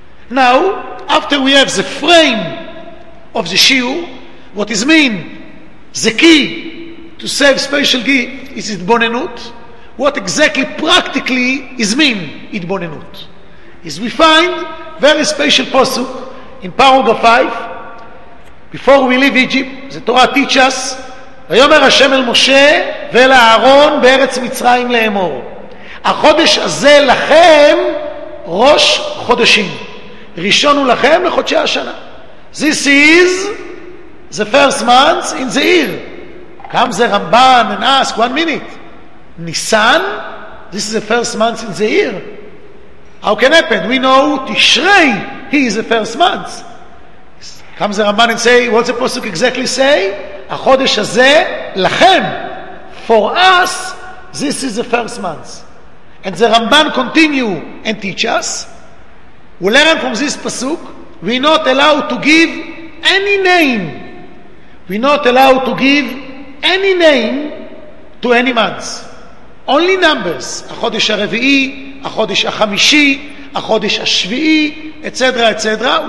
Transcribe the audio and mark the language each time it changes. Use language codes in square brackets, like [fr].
[en] Now, after we have the frame of the shiur, what is mean the key to save special gift is itbonenut. What exactly practically is mean itbonenut? Is we find very special pasuk in paragraph 5 before we leave Egypt. The Torah teaches us, [he] ויאמר השם אל משה ואל אהרון בארץ מצרים לאמור, החודש הזה לכם ראש חודשים, ראשון הוא לכם לחודשי השנה. [en] This is the first month in the year. Comes the Ramban and ask, one minute, ניסן? This is the first month in the year. How can happen? We know תשרי, he is the first month. Comes the Ramban and say, what's the pasuk exactly say? [he] החודש הזה לכם, [en] for us, this is the first month. And the Ramban continue and teach us, we learn from this pasuk, we not allowed to give any name, we not allowed to give any name to any months. Only numbers, [he] החודש הרביעי, החודש החמישי, החודש השביעי, [en] etc., etc.